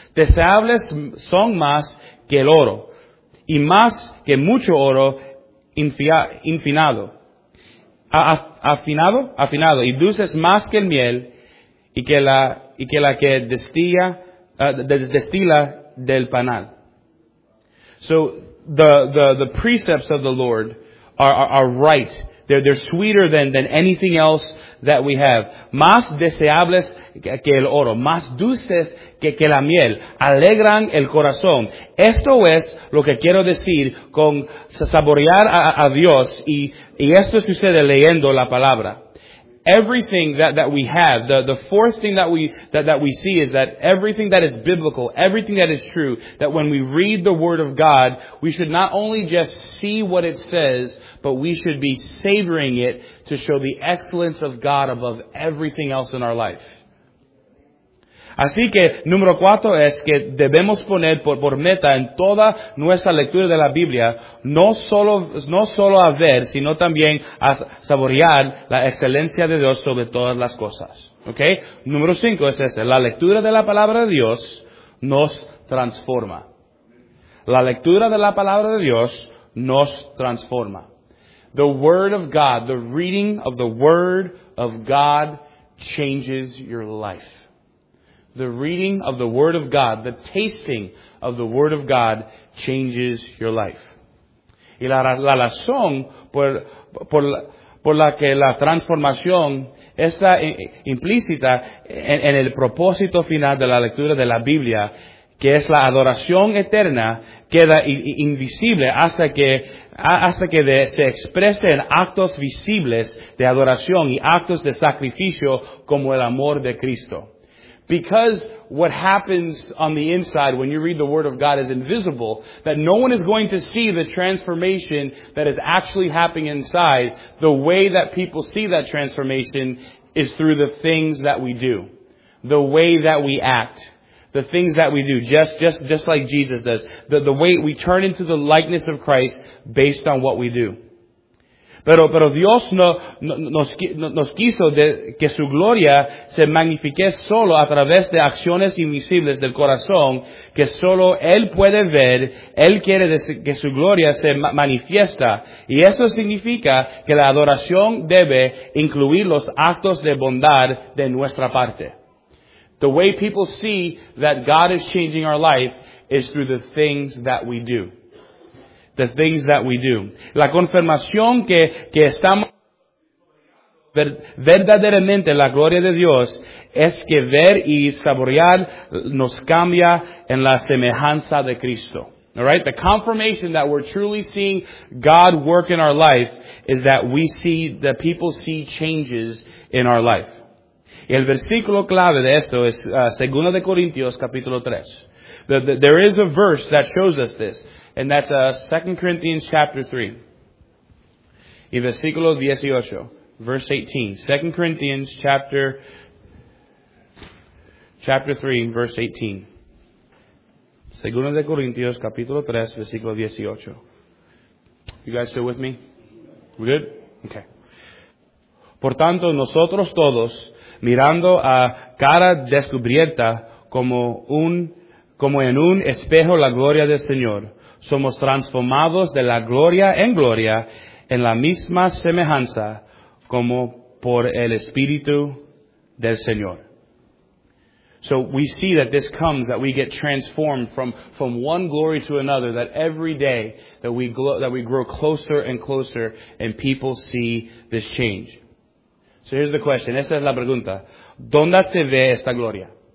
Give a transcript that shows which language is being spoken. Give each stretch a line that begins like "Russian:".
Spanish: Deseables son más que el oro, y más que mucho oro infinado. Afinado, y dulces más que el miel, y que destila del panal.
English: So, the precepts of the Lord are right. They're sweeter than anything else that we have.
Spanish: Más deseables que el oro. Más dulces que la miel. Alegran el corazón. Esto es lo que quiero decir con saborear a Dios. Y esto sucede leyendo la palabra.
English: Everything that we have, the fourth thing that we see is that everything that is biblical, everything that is true, that when we read the Word of God, we should not only just see what it says, but we should be savoring it to show the excellence of God above everything else in our life.
Spanish: Así que, número cuatro es que debemos poner por meta en toda nuestra lectura de la Biblia, no solo a ver, sino también a saborear la excelencia de Dios sobre todas las cosas. ¿Okay? Número cinco es este. La lectura de la palabra de Dios nos transforma. La lectura de la palabra de Dios nos transforma.
English: The Word of God, the reading of the Word of God changes your life. The reading of the Word of God, the tasting of the Word of God changes your life.
Spanish: Y la razón por la que la transformación está implícita en el propósito final de la lectura de la Biblia, que es la adoración eterna, queda invisible hasta que se exprese en actos visibles de adoración y actos de sacrificio como el amor de Cristo.
English: Because what happens on the inside when you read the Word of God is invisible, that no one is going to see the transformation that is actually happening inside. The way that people see that transformation is through the things that we do, the way that we act, the things that we do, just like Jesus does, the way we turn into the likeness of Christ based on what we do.
Spanish: Pero Dios nos quiso que su gloria se magnifique solo a través de acciones invisibles del corazón que solo Él puede ver. Él quiere que su gloria se manifiesta. Y eso significa que la adoración debe incluir los actos de bondad de nuestra parte.
English: The way people see that God is changing our life is through the things that we do. The things that we do.
Spanish: La confirmación que estamos verdaderamente la gloria de Dios es que ver y saborear nos cambia en la semejanza de Cristo.
English: All right? The confirmation that we're truly seeing God work in our life is that we see, that people see changes in our life.
Spanish: Y el versículo clave de esto es 2 de Corintios capítulo 3.
English: There is a verse that shows us this. And that's 2 Corinthians chapter 3,
Spanish: y versículo 18,
English: verse 18. 2 Corinthians chapter 3, verse 18.
Spanish: Segundo de Corintios, capítulo 3, versículo 18.
English: You guys still with me? We good? Okay.
Spanish: Por tanto, nosotros todos, mirando a cara descubierta como en un espejo la gloria del Señor, somos transformados de la gloria, en la misma semejanza, como por el Espíritu del Señor.
English: So we see that this comes, that we get transformed from one glory to another, that every day that we grow closer and closer, and people see this change. So here's the question.
Spanish: Esta es la pregunta. ¿Dónde se ve esta gloria?